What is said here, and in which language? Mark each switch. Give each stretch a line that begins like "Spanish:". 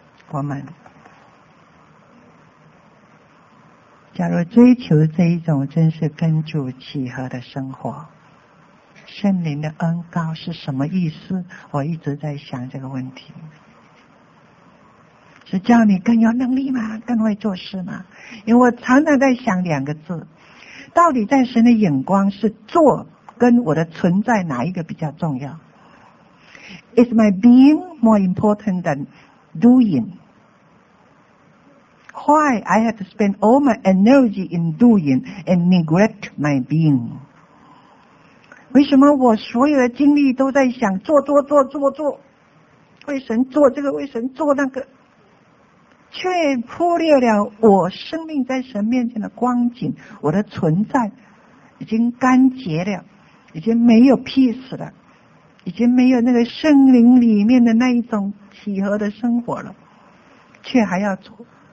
Chinese: 我们假如追求这一种真是跟主契合的生活，圣灵的恩膏是什么意思？我一直在想这个问题。是叫你更有能力吗？更会做事吗？因为我常常在想两个字，到底在神的眼光是做跟我的存在哪一个比较重要？
English: Is my being more important than doing? Why I have to spend all my energy in doing and neglect my being?
Chinese: 为什么我所有的精力都在想做做做做做，为神做这个，为神做那个，却忽略了我生命在神面前的光景，我的存在已经干竭了，已经没有 peace 了，已经没有那个圣灵里面的那一种喜和的生活了，却还要做。